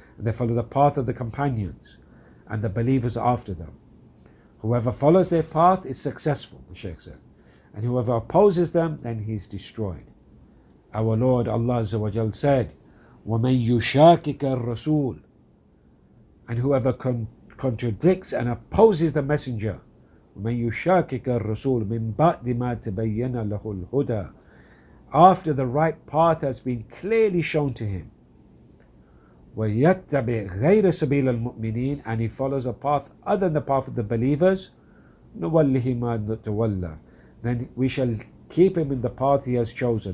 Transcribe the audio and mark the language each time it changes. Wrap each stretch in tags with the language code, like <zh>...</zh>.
<en>And they follow the path of the companions and the believers after them. Whoever follows their path is successful, the Shaykh said. And whoever opposes them, then he's destroyed. Our Lord Allah Azza wa Jal said,</en> <ar>وَمَنْ يُشَاكِكَ الرَّسُولِ.</ar> <en>And whoever contradicts and opposes the messenger,</en> <ar>وَمَنْ يُشَاكِكَ الرَّسُولِ مِنْ بَعْدِ مَا تَبَيَّنَ لَهُ الْهُدَى.</ar> <en>After the right path has been clearly shown to him,</en> <ar>وَيَتَّبِعْ غَيْرَ سَبِيلَ الْمُؤْمِنِينَ.</ar> <en>And he follows a path other than the path of the believers,</en> <ar>نُوَلِّهِ مَا تَوَلَّى.</ar> <en>Then we shall keep him in the path he has chosen.</en>